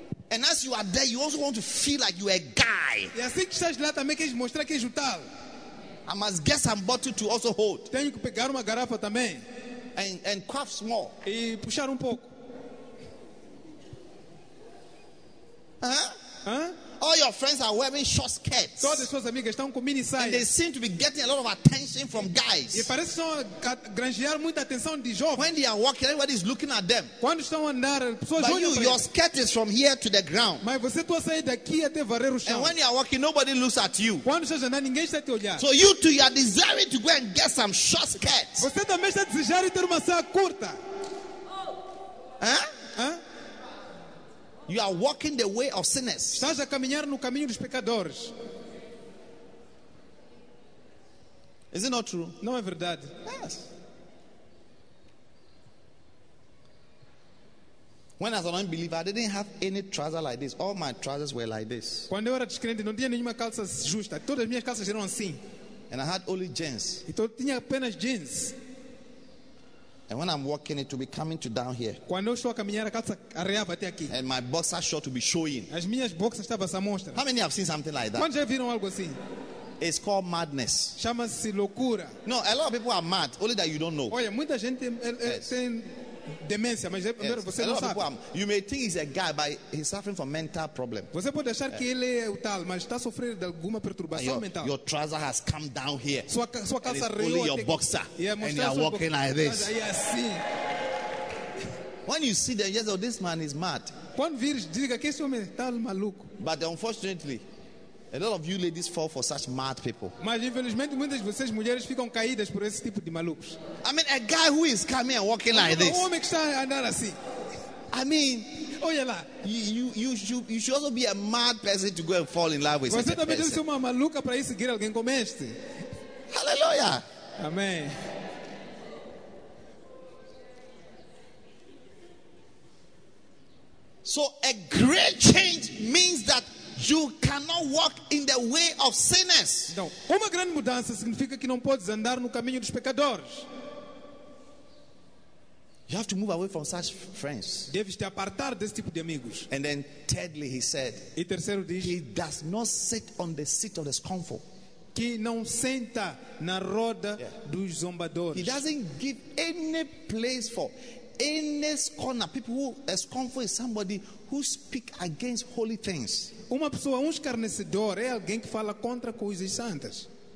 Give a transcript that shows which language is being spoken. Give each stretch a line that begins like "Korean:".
English: And as you are there, you also want to feel like you're a guy.
Portuguese: E assim que estás lá também queres mostrar que és o tal.
English: I must get some bottle to also hold.
Portuguese: Tenho que pegar uma garrafa também.
English: And craft small.
Portuguese: E puxar pouco.
English: All your friends are wearing short skirts.
Portuguese: Todas suas amigas estão com mini saias.
English: And they seem to be getting a lot of attention from guys.
Portuguese: E parecem ganhar muita atenção de jovens.
English: When they are walking, everybody is looking at them.
Portuguese: Quando estão a andar, pessoas olham.
English: But your skirt is from here to the ground.
Portuguese: Mas você tua saia daqui até varrer o chão.
English: And when you are walking, nobody looks at you.
Portuguese: Quando estás a andar, ninguém está a te olhar.
English: So you too, you are desiring to go and get some short skirts.
Portuguese: Você também está desejando ter uma saia curta.
English: You are walking the way of sinners.
Portuguese: Estás a caminhar no caminho dos pecadores.
English: Is it not true?
Portuguese: Não é verdade.
English: Yes. When as an unbeliever, I didn't have any trouser like this. All my trousers were like this.
Portuguese: Quando eu era descrente, não tinha nenhuma calça justa. Todas as minhas calças eram assim.
English: And I had only jeans.
Portuguese: Então eu tinha apenas jeans.
English: And when I'm walking, it will be coming to down here.
Portuguese: Quando eu estou a caminhar, a calça arreava até aqui.
English: And my boxer short will be showing.
Portuguese: As minhas boxers estavam a mostrar.
English: How many have seen something like that?
Portuguese: Quando já viram algo assim?
English: It's called madness.
Portuguese: Chama-se loucura.
English: No, a lot of people are mad. Only that you don't know.
Portuguese: Olha, muita gente tem demência, mas você não sabe.
English: You may think he's a guy, but he's suffering from mental problem.
Portuguese: Você pode achar que ele é o tal, mas está sofrendo de alguma perturbação mental.
English: Your trouser has come down here.
Portuguese: Sua calça
English: reou. Only your boxer. Yeah, and you are walking like this.
Portuguese: Assim.
English: When you see them, yes, oh, this man is mad.
Portuguese: Quando vires, diga que esse homem é tal maluco.
English: But unfortunately, a lot of you ladies fall for such mad people.
Portuguese: Mas infelizmente muitas de vocês mulheres ficam caídas por esse tipo de malucos.
English: I mean, a guy who is coming and walking like this.
Portuguese: Um homem que está a andar assim.
English: I mean,
Portuguese: olha lá.
English: You should also be a mad person to go and fall in love with such a person.
Portuguese: Você também deve ser uma maluca para ir seguir alguém como este.
English: Hallelujah.
Portuguese: Amém.
English: So a great change means that you cannot walk in the way of sinners.
Portuguese: Não. Uma grande mudança significa que não podes andar no caminho dos pecadores.
English: You have to move away from such friends.
Portuguese: Deves te apartar desse tipo de amigos.
English: And then thirdly, he said,
Portuguese: e terceiro diz,
English: he does not sit on the seat of the scornful.
Portuguese: que não senta na roda dos zombadores.
English: He doesn't give any place for any scorner. People who a scornful is somebody who speak against holy things.
Portuguese: Uma pessoa, um escarnecedor, é alguém que fala contra coisas santas.